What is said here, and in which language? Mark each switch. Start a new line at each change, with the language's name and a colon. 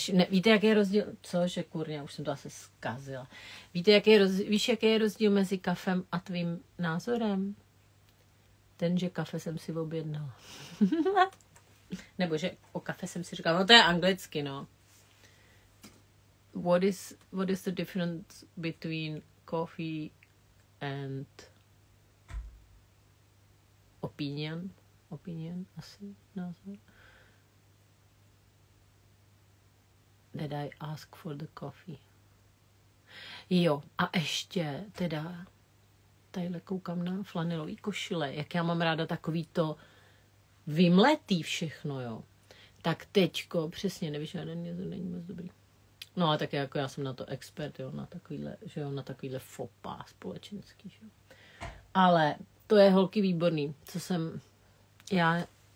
Czech: Víte, jaký je rozdíl, cože, kurně, už jsem to asi zkazila. Víš, jaký je rozdíl mezi kafem a tvým názorem? Ten, že kafe jsem si objednala. Nebo že o kafe jsem si říkala. No to je anglicky, no.
English: What is the difference between coffee and opinion?
Czech: Opinion asi názor.
English: That I ask for the coffee.
Czech: Jo, a ještě teda... Tadyhle koukám na flanelový košile, jak já mám ráda takový to vymletý všechno, jo. Tak teďko, přesně, nevyžádaný, to není moc dobrý. No a tak jako já jsem na to expert, jo, na takovýhle fopa společenský, jo. Ale to je, holky, výborný, co jsem, já